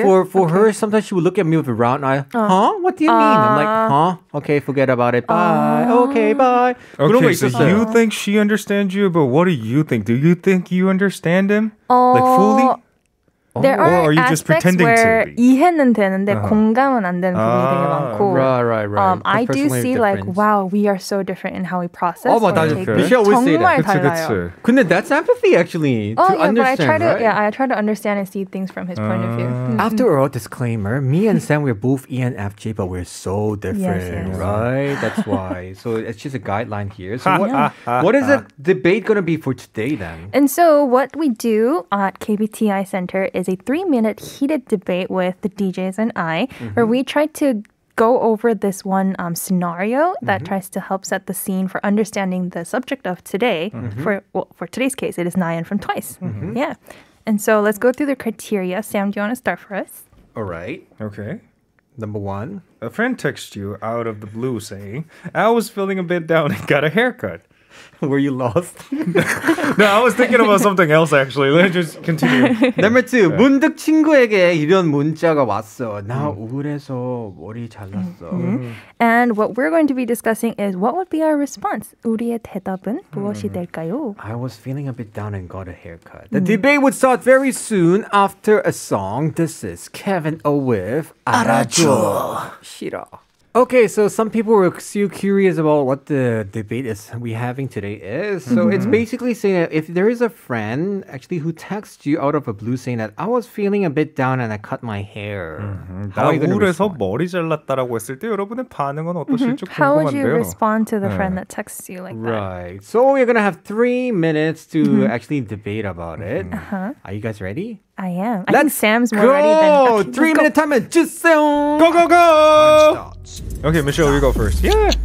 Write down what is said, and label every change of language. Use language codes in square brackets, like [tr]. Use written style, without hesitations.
[en] For her, sometimes she would look at me with a round eye. Huh? What do you mean? I'm like, huh? Okay, forget about it. Bye. Okay, bye. Okay, so you think she understands you, but what do you think? Do you think you understand him? Like, fully? There are, or are you just pretending where to be? [ko] 이해는 되는데 공감은 안 되는 부분이 되게 많고. [en] Right. I do see difference. Like, wow, we are so different in how we process. Oh, but that's true. Michelle always say that. [ko] 정말 달라요. 근데 [en] that's empathy, actually. Oh, to understand, but I try to, right? Yeah, I try to understand and see things from his point of view. After all, disclaimer, me and Sam, we're both ENFJ, but we're so different, yes, right? That's why. So it's just a guideline here. So what is the debate going to be for today, then? And so what we do at KBTI Center is a 3-minute heated debate with the DJs and I, where we try to go over this one scenario that tries to help set the scene for understanding the subject of today. For today's case, it is Nayeon from Twice. Yeah. And so let's go through the criteria. Sam, do you want to start for us? All right. Okay. Number one. A friend texts you out of the blue saying, I was feeling a bit down and got a haircut. Were you lost? No, I was thinking about something else, actually. Let me just continue. Number two. [ko] 문득 친구에게 이런 문자가 왔어. 나 우울해서 머리 잘랐어. [en] And what we're going to be discussing is what would be our response? [ko] 우리의 대답은 무엇이 될까요? [en] I was feeling a bit down and got a haircut. The debate would start very soon after a song. This is Kevin O with 알아줘. 싫어. Okay, so some people were still curious about what the debate is we having today is. So it's basically saying that if there is a friend actually who texts you out of a blue saying that I was feeling a bit down and I cut my hair. How are you gonna respond? [ko] 나 우울해서 머리 잘랐다라고 했을 때 여러분의 반응은 어떠실지 궁금한데요. [en] How would you respond to the friend that texts you like that? Right. So we're gonna have 3 minutes to actually debate about it. Are you guys ready? I am. I think Sam's more ready than... Okay, 3-minute time and just Sam! Go, go, go! Okay, Michelle, you go first. Yeah!